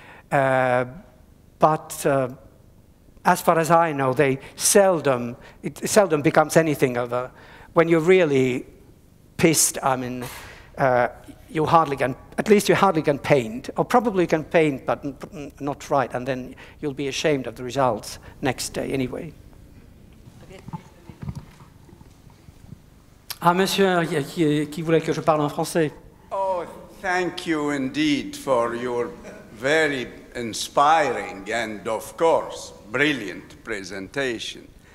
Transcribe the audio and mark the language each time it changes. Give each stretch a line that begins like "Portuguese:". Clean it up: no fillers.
English: As far as I know, it seldom becomes anything of a, when you're really pissed, I mean, you hardly can paint, or probably you can paint, but not right, and then you'll be ashamed of the results next day anyway.
French: Ah, monsieur, qui voulait que je parle en français?
English: Oh, thank you indeed for your very inspiring and, of course, brilliant presentation.